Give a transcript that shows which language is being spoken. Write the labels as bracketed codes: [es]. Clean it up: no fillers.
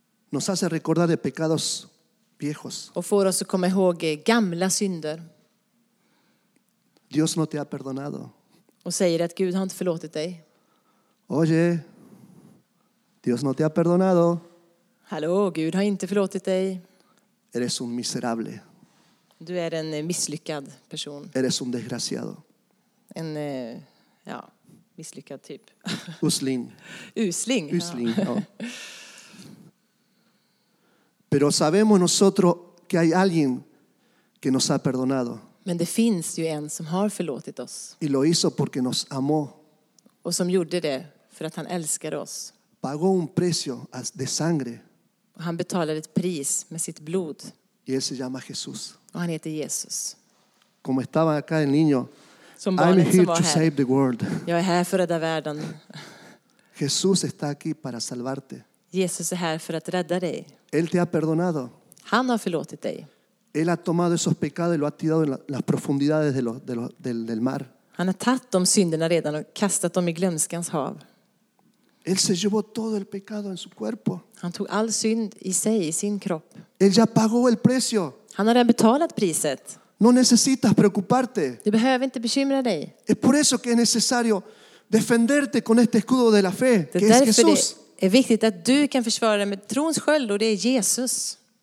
[es] Nos hace recordar de pecados viejos. [sv] Och får oss att komma ihåg gamla synder. [es] Dios no te ha perdonado. [sv] Och säger att Gud har inte förlåtit dig. [es] Oye, Dios no te ha perdonado. [sv] Hallå, Gud har inte förlåtit dig. [es] Eres un miserable. [sv] Du är en misslyckad person. [es] Eres un desgraciado. [sv] En ja, misslyckad typ. Usling. Usling. Usling, ja. [es] Pero sabemos nosotros que hay alguien que nos ha perdonado. [sv] Men det finns ju en som har förlåtit oss. [es] Y lo hizo porque nos amó. [sv] Och som gjorde det för att han älskar oss. [es] Pagó un precio de sangre. [sv] Och han betalade ett pris med sitt blod. [es] Y él se llama Jesús. [sv] Och han heter Jesus. [es] Como estaba acá el niño. [sv] Som barnet [en] I'm here [sv] som var [en] to [sv] här. [en] Save the world. [sv] Jag är här för att rädda världen. [es] Jesús está aquí para salvarte. [sv] Jesus är här för att rädda dig. [es] Él te ha perdonado. [sv] Han har förlåtit dig. [es] Él ha tomado esos pecados y lo ha tirado en las profundidades del mar. [sv] Han har tagit de synderna redan och kastat dem i glömskans hav. [es] Él se llevó todo el pecado en su cuerpo. [sv] Han tog all synd i sig, i sin kropp. [es] Él ya pagó el precio. [sv] Han har redan betalat priset. [es] No necesitas preocuparte. [sv] Du behöver inte bekymra dig. [es] Es por eso que es necesario defenderte con este escudo de la fe, que es Jesús. [sv] Det är viktigt att du kan försvara dig med trons sköld, och det är Jesus.